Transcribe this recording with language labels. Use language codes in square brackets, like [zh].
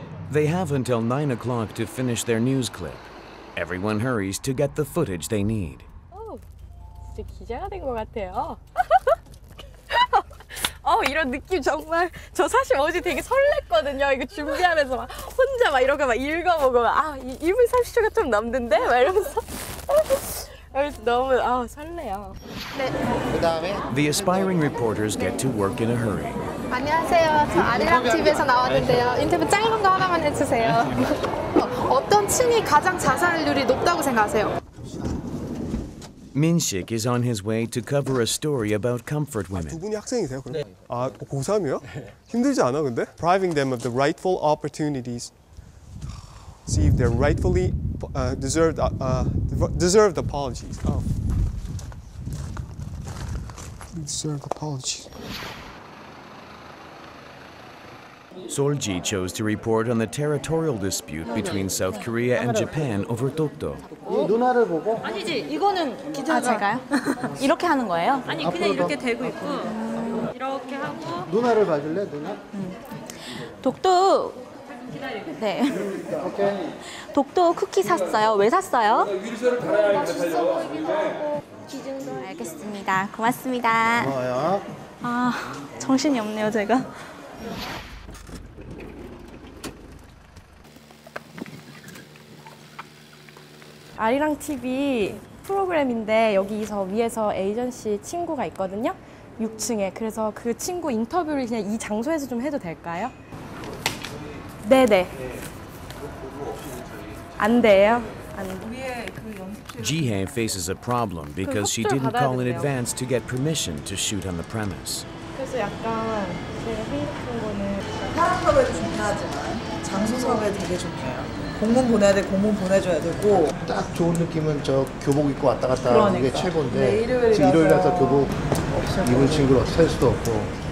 [en] They have until 9 o'clock to finish their news clip. Everyone hurries to get the footage they need. [ko] Oh, 진짜 기자가 된 것 같아요. 이런 느낌 정말 저 사실 어제 되게 설렜거든요. 이거 준비하면서 막 혼자 막 이런 거 막 읽어보고 막, 아 이분 30초가 좀 남는데 막 이러면서 너무 아 설레요. 네. 그다음에 [en] The aspiring reporters get to work in a hurry. [ko] 안녕하세요. 저 아리랑 TV에서 나왔는데요. 인터뷰 짧은 거 하나만 해주세요. 어떤 층이 가장 자살률이 높다고 생각하세요? [en] Min-sik is on his way to cover a story about comfort women. [ko] 두 분이 학생이세요? 그럼? 네. 아, 고3이요? 힘들지 않아, 근데? [en] Depriving them of the rightful opportunities to see if they're rightfully deserved apologies. Oh. Deserved apologies. Sol-ji chose to report on the territorial dispute between South Korea and Japan over Dokdo. [ko] 누나를 보고? 아니지, 이거는 기자가. 아, 제가요? 이렇게 하는 거예요? 아니, 그냥 이렇게 대고 있고, 이렇게 하고. 누나를 봐줄래, 누나? 독도. 네. 독도 쿠키 샀어요. 왜 샀어요? 알겠습니다. 고맙습니다. 고마워요. 아, 정신이 없네요, 제가. 아리랑 TV 프로그램인데 여기서 위에서 에이전시 친구가 있거든요. 6층에. 그래서 그 친구 인터뷰를 그냥 이 장소에서 좀 해도 될까요? 네네. 안 돼요. 안 돼요. [en] Ji-hae faces a problem because she didn't call in advance to get permission to shoot on the premise. [ko] 그래서 약간 제가 생각한 거는 파라파를 중요하지만 장소 선택이 되게 중요해요. 공문 보내야 돼, 공문 보내줘야 되고. 딱 좋은 느낌은 저 교복 입고 왔다 갔다 하는 그러니까. 게 최고인데 일요일이라서 일요일이라서 교복 입은 친구로 셀 수도 없고.